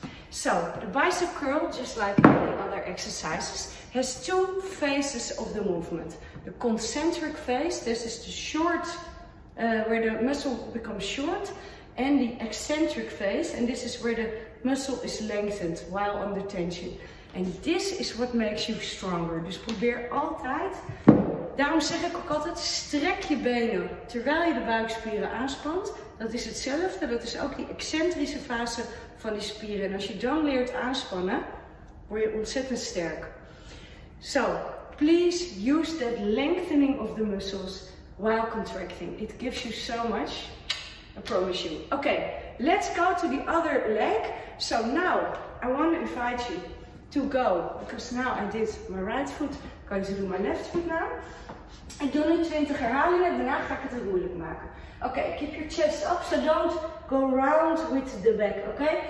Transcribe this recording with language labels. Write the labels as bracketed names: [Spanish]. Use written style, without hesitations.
[English] So, the bicep curl, just like any other exercises, has two phases of the movement. The concentric phase, this is the short, where the muscle becomes short. And the eccentric phase, and this is where the muscle is lengthened while under tension. And this is what makes you stronger. [Dutch] Dus probeer altijd, daarom zeg ik ook altijd, strek je benen terwijl je de buikspieren aanspant. Dat is hetzelfde, dat is ook die excentrische fase van die spieren. En als je dan leert aanspannen, word je ontzettend sterk. [English] So, please use that lengthening of the muscles while contracting. It gives you so much, I promise you. Okay, let's go to the other leg. So now, I want to invite you to go, because now I did my right foot, going to do my left foot now. [Dutch] Ik doe nu 20 herhalingen, daarna ga ik het moeilijk maken. [English] Oké, keep your chest up, so don't go round with the back, oké?